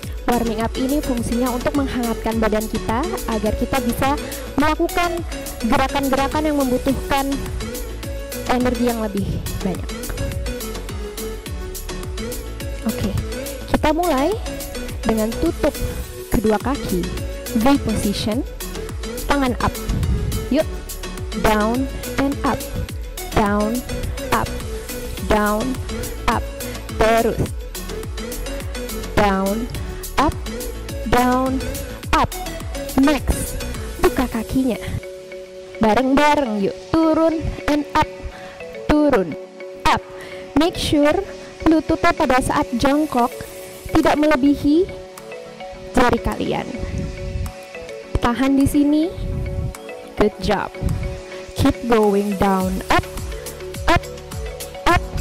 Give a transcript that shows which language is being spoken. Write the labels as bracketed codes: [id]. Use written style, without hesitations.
[id] Warming up ini fungsinya untuk menghangatkan badan kita agar kita bisa melakukan gerakan-gerakan yang membutuhkan energi yang lebih banyak. Oke, kita mulai dengan tutup kedua kaki, V position, tangan up. Yuk. [en] Down and up, down, up, down, up, terus. Down, up, down, up. [id] Next, buka kakinya. Bareng-bareng yuk, turun and up, turun, up. [en] Make sure [id] lututnya pada saat jongkok tidak melebihi jari kalian. Tahan di sini. [en] Good job. Keep going down, up, up, up.